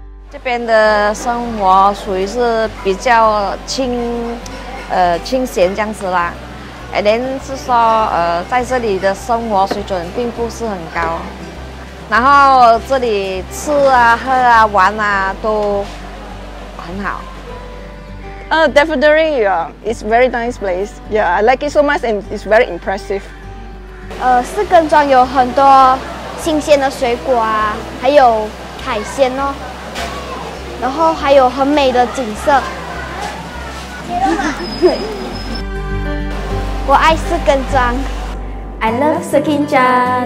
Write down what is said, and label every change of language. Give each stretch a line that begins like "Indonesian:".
Chinese: 这边的生活属于是比较清闲这样子啦，连是说在这里的生活水准并不是很高，然后这里吃啊喝啊玩啊都很好。
English: Definitely, yeah. It's a very nice place. Yeah, I like it so much and it's very impressive.
Chinese: Sekinchan 有很多新鲜的水果啊，还有海鲜哦，然后还有很美的景色。我爱Sekinchan。
English: I love Sekinchan。